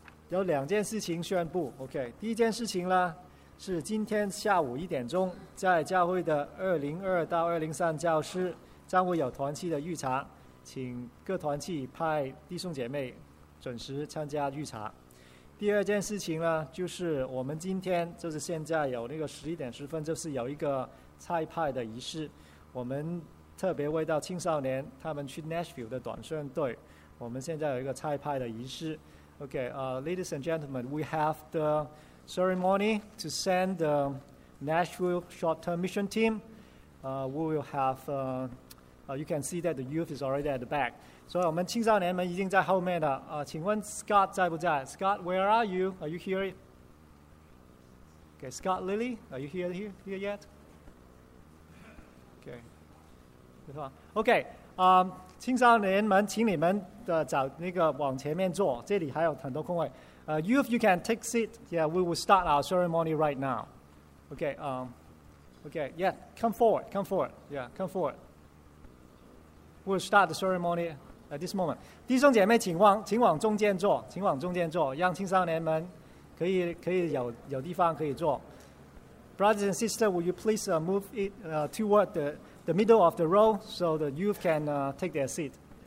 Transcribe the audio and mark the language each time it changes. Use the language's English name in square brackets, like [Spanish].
[Chinese] 有两件事情宣布 ，OK， 第一件事情呢是今天下午一点钟，在教会的202到203教室将会有团契的预查，请各团契派弟兄姐妹准时参加预查。第二件事情呢，就是我们今天就是现在有那个11:10，就是有一个菜派的仪式，我们特别为到青少年他们去 Nashville 的短宣队，我们现在有一个菜派的仪式。 [English] OK， ladies and gentlemen, we have the ceremony to send the Nashville short-term mission team. We will have, you can see that the youth is already at the back. [Chinese] So, 我们青少年们已经在后面了。请问 Scott 在不在 [English] ？Scott, where are you? Are you here? Okay, Scott Lily, are you here yet? [Chinese] Okay, 对吧 ？Okay, 青少年们，请你们找那个往前面坐，这里还有很多空位。 [English] Youth, you can take seat. Yeah, we will start our ceremony right now. Okay, come forward. Yeah, come forward. We'll start the ceremony at this moment. [Chinese] 弟兄姐妹，请往中间坐，请往中间坐，让青少年们可以有地方可以坐。 [English] Brothers and sisters, will you please move it toward the middle of the row so the youth can take their seat.